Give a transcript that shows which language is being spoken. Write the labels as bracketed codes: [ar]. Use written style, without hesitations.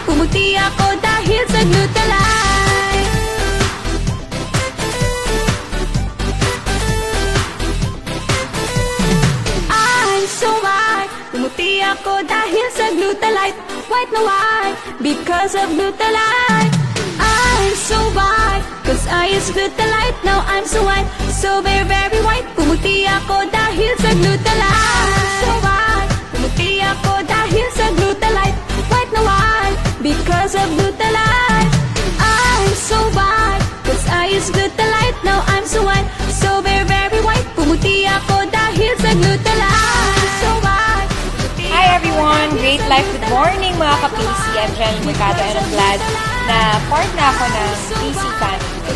[tl] Pumuti ako dahil sa Buta Life. [en] I'm so white, [tl] pumuti ako dahil sa Buta Life. [en] White na white, because of Buta Life. I'm so white, cause I use Buta Light. Now I'm so white, so very, very white. [tl] Pumuti ako dahil sa Buta Light. [en] I'm so white, [tl] pumuti ako dahil sa Buta Light. [en] White na white, because of Buta Light. I'm so white, cause I use Buta Light. Now I'm so white, so very, very white. [tl] Pumuti ako dahil sa Buta Light. [en] I'm so white. Hi everyone, great life, good morning [tl] mga ka-PC. [en] I'm Jenny Mercado and I'm glad [tl] na part na ako ng [en] PC family.